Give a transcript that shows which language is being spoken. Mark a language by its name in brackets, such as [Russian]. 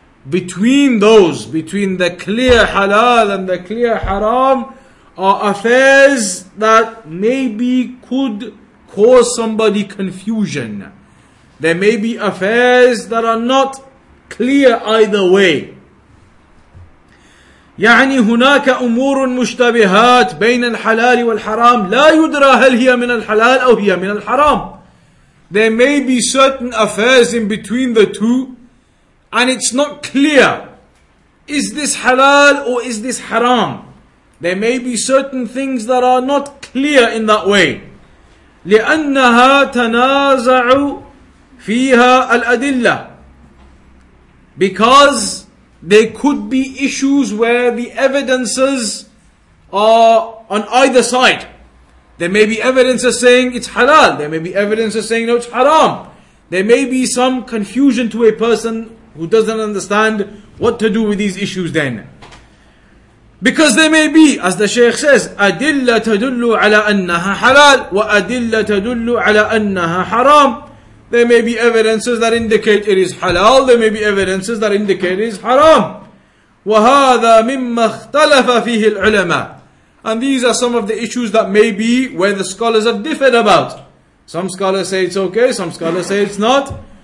[English] Between those, between the clear halal and the clear haram, are affairs that maybe could cause somebody confusion. There may be affairs that are not clear either way. [Arabic] يعني هناك أمور مشتبهات بين الحلال والحرام لا يدرى هل هي من الحلال أو هي من الحرام. [English] There may be certain affairs in between the two, and it's not clear. Is this halal or is this haram? There may be certain things that are not clear in that way. [Arabic] لأنها تنازع فيها الأدلة. [English] Because there could be issues where the evidences are on either side. There may be evidences saying it's halal. There may be evidences saying no, it's haram. There may be some confusion to a person who doesn't understand what to do with these issues then. Because there may be, as the Shaykh says, [Arabic] أدلة تدل على أنها حلال وأدلة تدل على أنها حرام. [English] There may be evidences that indicate it is halal. There may be evidences that indicate it is haram. [Arabic] وَهَذَا مِمَّا اخْتَلَفَ فِيهِ الْعُلَمَةِ. [English] And these are some of the issues that may be where the scholars have differed about. Some scholars say it's okay, some scholars say it's not.